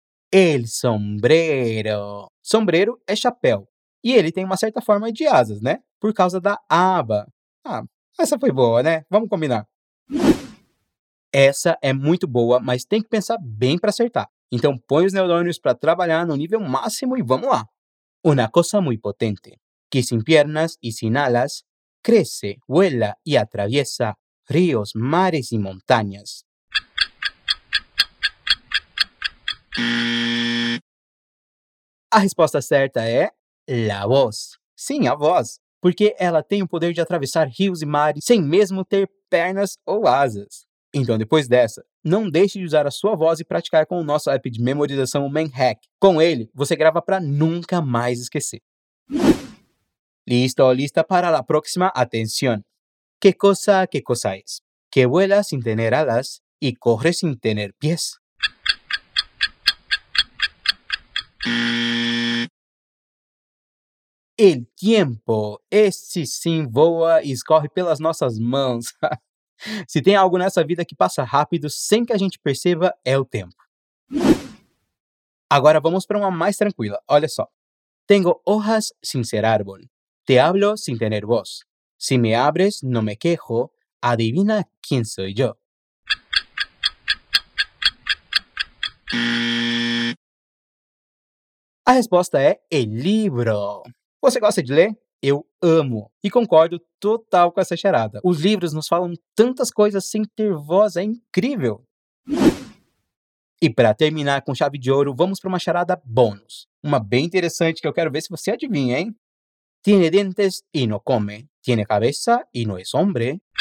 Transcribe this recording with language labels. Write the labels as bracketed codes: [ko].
[es] El sombrero. Sombrero [pt] é chapéu. E ele tem uma certa forma de asas, né? Por causa da aba. Ah, essa foi boa, né? Vamos combinar. Essa é muito boa, mas tem que pensar bem para acertar. Então, põe os neurônios para trabalhar no nível máximo e vamos lá. [es] Una cosa muy potente, que sin piernas y sin alas, crece, vuela y atraviesa ríos, mares y montañas. [pt] A resposta certa é la voz. Sim, a voz. Porque ela tem o poder de atravessar rios e mares sem mesmo ter pernas ou asas. Então, depois dessa, não deixe de usar a sua voz e praticar com o nosso app de memorização, o ManHack. Com ele, você grava para nunca mais esquecer. [es] Listo, lista para la próxima, atenção. Que cosa es? Que vuela sin tener alas y corre sin tener pies. El tiempo. [pt] Esse sim voa e escorre pelas nossas mãos. Se tem algo nessa vida que passa rápido sem que a gente perceba, é o tempo. Agora vamos para uma mais tranquila. Olha só. [es] Tengo hojas sin ser árbol. Te hablo sin tener voz. Si me abres, no me quejo. Adivina quién soy yo. [pt] A resposta é el libro. Você gosta de ler? Eu amo. E concordo total com essa charada. Os livros nos falam tantas coisas sem ter voz. É incrível. E para terminar com chave de ouro, vamos para uma charada bônus. Uma bem interessante que eu quero ver se você adivinha, hein? [es] Tiene dientes y no come. Tiene cabeza y no es hombre.